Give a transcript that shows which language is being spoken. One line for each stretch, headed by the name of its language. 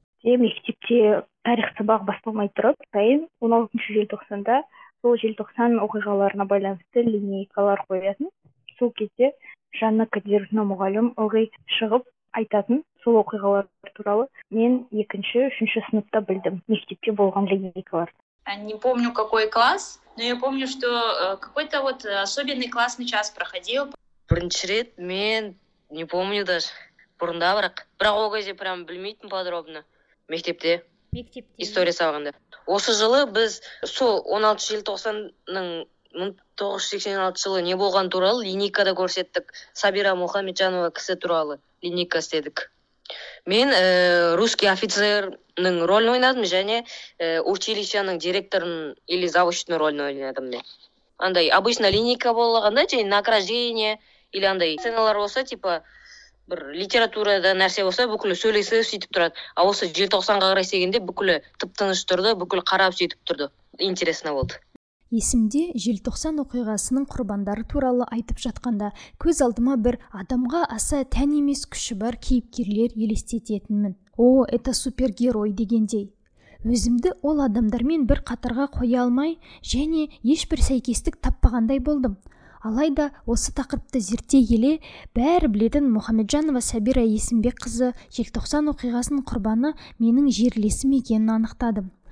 Kazakh: Мектепте тарих сабағы басталмай тұрып, сайын 16 желтоқсанда сол желтоқсан оқиғаларына байланысты линейкалар қоятын. Сол кезде Жанна Кадировна мұғалім ылғи шығып айтатын сол оқиғалар туралы мен 2-3 сыныпта білдім мектепте болған линейкалар.
Russian: Не помню какой класс, но я помню, что какой-то вот особенный классный час проходил.
Kazakh: Бірінші рет мен
Russian: не помню даже,
Kazakh: бұрында бірақ ол кезде прям білмейтін подробно мектепте. Мектепте. История сабағында. Осы жылы біз сол 16 желтоқсанның 1986 жылы не болған туралы линейкада көрсеттік. Сабира Мұхамеджанова кісі туралы линейка істедік. Мен русский офицерның ролін ойнадым және училищенің директорын или завучтың ролін ойнадым. Андай обычно линейка болғанда және награждение или андай сценалар болса, типа бір литературада нәрсе болса, бүкілі сөйлесі сөйтіп тұрады. А осы 90-ға қарай сегенде бүкілі тып-тыныш тұрды, бүкілі қарап сөйтіп тұрды. Интересно болды. Есімде 90 оқиғасының құрбандары туралы айтып жатқанда, көз алдыма бір адамға аса тән емес күші бар кейіпкерлер елестететінмін.
Russian: О, это супергерой
Kazakh: дегендей. Өзімді ол адамдармен бір қатарға қоя алмай, және ешбір сәйкестік таппағандай болдым. Алайда осы тақырыпты зерттей келе, бәрі білетін Мұхамеджанова Сабира Есімбекқызы 90 оқиғасының құрбаны менің жерлесім екенін анықтадым.